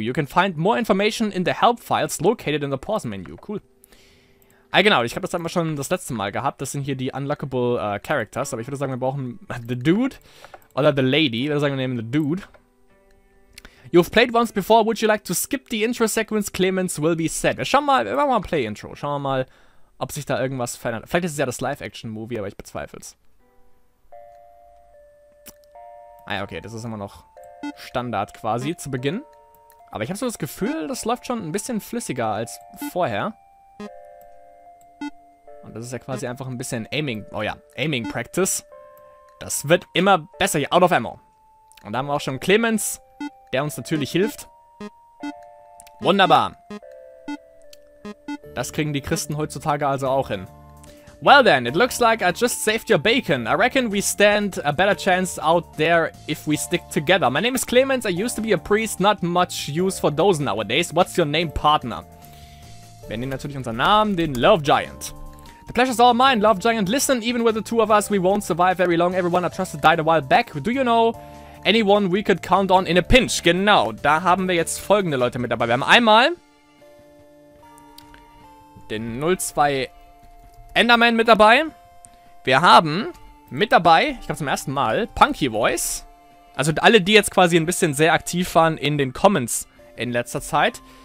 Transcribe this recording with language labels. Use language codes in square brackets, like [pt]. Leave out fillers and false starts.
[en] You can find more information in the help files located in the pause menu. Cool. [de] Ah, genau, ich habe das einmal schon das letzte Mal gehabt. Das sind hier die Unlockable Characters. Aber ich würde sagen, wir brauchen The Dude [en] Oder the lady, that's like the name of the dude. You've played once before, would you like to skip the intro sequence? Clemens will be set. [de] Wir machen mal ein Play-Intro. Schauen wir mal, ob sich da irgendwas verändert. Vielleicht ist es ja das Live-Action-Movie, aber ich bezweifle's. Ah ja, okay, das ist immer noch Standard quasi zu Beginn. Aber ich habe so das Gefühl, das läuft schon ein bisschen flüssiger als vorher. Und das ist ja quasi einfach ein bisschen Aiming. Oh ja, Aiming Practice. Das wird immer besser hier. [en] Out of ammo. [de] Und da haben wir auch schon Clemens, der uns natürlich hilft. Wunderbar. Das kriegen die Christen heutzutage also auch hin. [en] Well then, it looks like I just saved your bacon. I reckon we stand a better chance out there if we stick together. My name is Clemens, I used to be a priest, not much use for those nowadays. What's your name, partner? [de] Wir nehmen natürlich unseren Namen, den Love Giant. [en] The pleasure's all mine, Love Giant. Listen, even with the two of us, we won't survive very long. Everyone I trusted died a while back. Do you know anyone we could count on in a pinch? [de] Genau, da haben wir jetzt folgende Leute mit dabei. Wir haben einmal den 02 Enderman mit dabei. Wir haben mit dabei, ich glaube zum ersten Mal, Punky Voice. Also alle, die jetzt quasi ein bisschen sehr aktiv waren in den Comments in letzter Zeit.